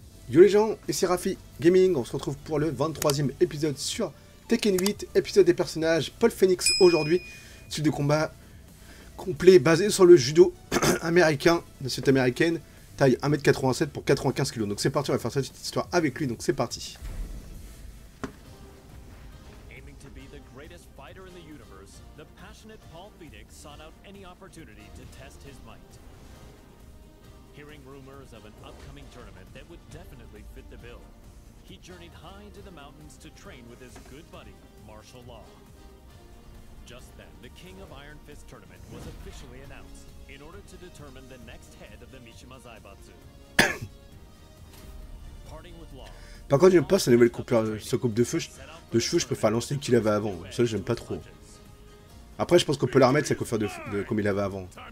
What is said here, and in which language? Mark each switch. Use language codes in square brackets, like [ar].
[fr] Yo les gens, ici Rafi Gaming, on se retrouve pour le 23e épisode sur Tekken 8, épisode des personnages, Paul Phoenix aujourd'hui, suite de combat complet basé sur le judo américain, de cette américaine, taille 1m87 pour 95 kg. Donc c'est parti, on va faire cette petite histoire avec lui, donc c'est parti. [en] Aiming to be the greatest fighter in the universe, the passionate Paul Phoenix sought out any opportunity to test his might. Hearing rumors of an upcoming tournament that would definitely fit the bill, he journeyed high into the mountains to train with his good buddy, Martial Law. Just then, the King of Iron Fist tournament was officially announced in order to determine the next head of the Mishima Zaibatsu. Parting with Law. [fr] Par contre, j'aime pas sa nouvelle coupe de cheveux. Je préfère l'ancienne qu'il avait avant. Ça, j'aime pas trop. Après, je pense qu'on peut la remettre sa coupe de comme il avait avant.